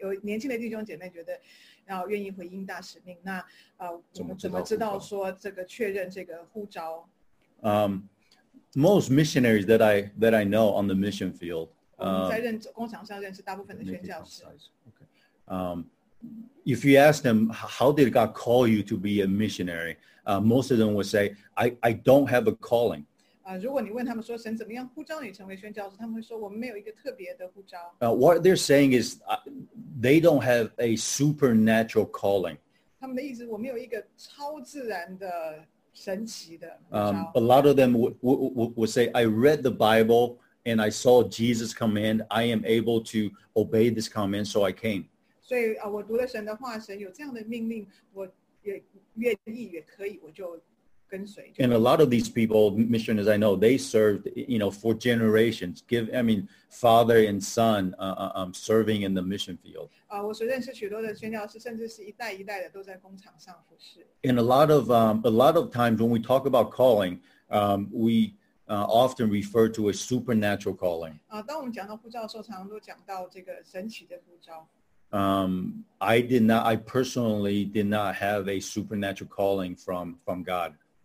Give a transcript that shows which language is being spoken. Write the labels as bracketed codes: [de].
[zh] 我们知道教会里面有很多弟兄姐妹，有年轻的弟兄姐妹觉得。然后愿意回应大使命，那我们怎么知道说这个确认这个呼召？ [en] Most missionaries that I know on the mission field. [zh] 我们在工厂上认识大部分的宣教师。Okay. [en] If you ask them how did God call you to be a missionary, most of them would say I don't have a calling. [zh] 如果你问他们说神怎么样呼召你成为宣教士，他们会说我们没有一个特别的呼召。 [en] What they're saying is they don't have a supernatural calling. [zh] 他们的意思，我没有一个超自然的神奇的。 [en] A lot of them would say, "I read the Bible and I saw Jesus' command, I am able to obey this command, so I came. [zh] 所以, 我读了神的话, 神有这样的命令, 我也愿意, 也可以, 我就跟随, 就跟随. [en] And a lot of these people, missionaries I know, they served, you know, for generations. Father and son serving in the mission field. [zh] 我所认识许多的宣教士，甚至是一代一代的都在工厂上服侍. [en] And a lot of times when we talk about calling, often refer to a supernatural calling. [zh] 当我们讲到呼召的时候，常常都讲到这个神奇的呼召。 [en] I personally did not have a supernatural calling from God.